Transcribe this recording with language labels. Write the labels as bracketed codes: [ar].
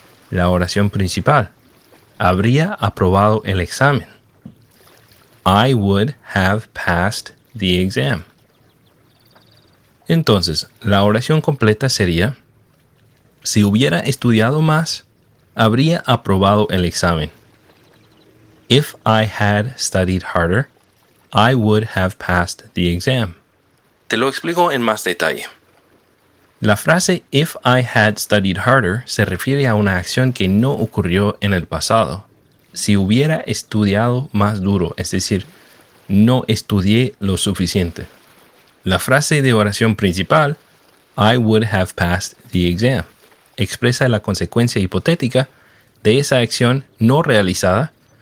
[es] La oración principal, habría aprobado el examen. [en] I would have passed the exam. [es] Entonces, la oración completa sería, si hubiera estudiado más, habría aprobado el examen. [en] If I had studied harder, I would have passed the exam. [es] Te lo explico en más detalle. La frase [en] if I had studied harder [es] se refiere a una acción que no ocurrió en el pasado. Si hubiera estudiado más duro, es decir, no estudié lo suficiente. La frase de oración principal, [en] I would have passed the exam, [es] expresa la consecuencia hipotética de esa acción no realizada.